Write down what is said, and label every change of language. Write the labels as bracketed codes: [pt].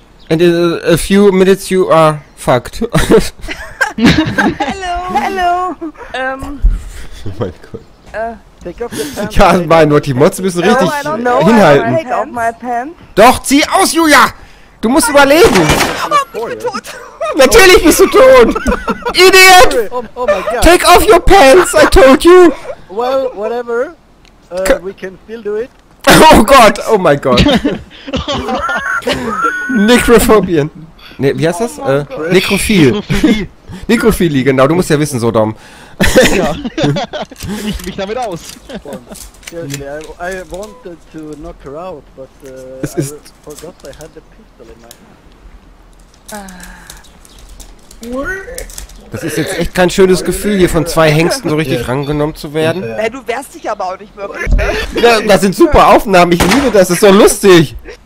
[en] And in a few minutes you are fucked. Hello! Hello! [de] Oh mein Gott. Ja, mein Gott, die Mods müssen richtig hinhalten. Doch, zieh aus, Julia! Du musst überleben! Natürlich bist du tot! Idiot! [en] Take off your pants, I told you! Well, whatever. We can still do it. [de] Oh Gott, oh mein Gott. Necrophobien. Ne, wie heißt das? Necrophil. Necrophilie, genau, du musst ja wissen, so Dom. Ja. Ich mich damit aus. [en] I wanted to knock her out, but I forgot I had the pistol in my hand. [de] Das ist jetzt echt kein schönes Gefühl, hier von zwei Hengsten so richtig rangenommen zu werden. Ja. Du wehrst dich aber auch nicht wirklich. Ja, das sind super Aufnahmen, ich liebe das, ist so lustig.